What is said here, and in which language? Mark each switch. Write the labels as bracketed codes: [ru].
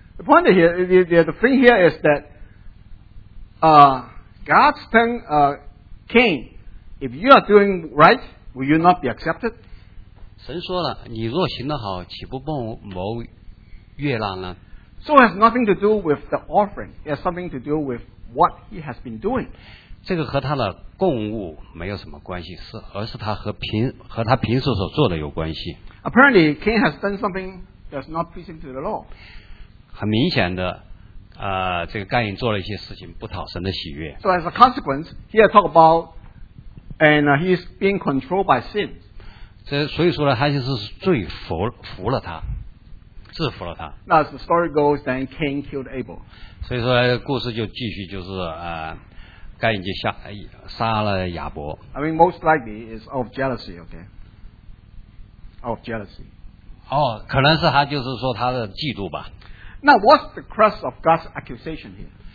[en] The point here, the thing here is that God's telling Cain, if you are doing right, will you not be accepted? [zh] 神说了，你若行得好，岂不蒙悦纳呢？ [en] So it has nothing to do with the offering. It has something to do with what he has been doing. [zh] 这个和他的供物没有什么关系，而是他和他平时所做的有关系。 [en] Apparently, Cain has done something that's not pleasing to the law. [zh] 很明显的，这个该隐做了一些事情不讨神的喜悦。 [en] So as a consequence, he has talked about, and he's being controlled by sin. [zh] 这所以说呢，他就是罪服了他，制服了他。 [en] Now as the story goes, then Cain killed Abel. [zh] 所以说故事就继续就是该隐就杀了亚伯。 [en] I mean, most likely is of jealousy. Okay. Of jealousy. [zh] 可能是他就是说他的嫉妒吧。 [en] Now, what's the crux of God's accusation here?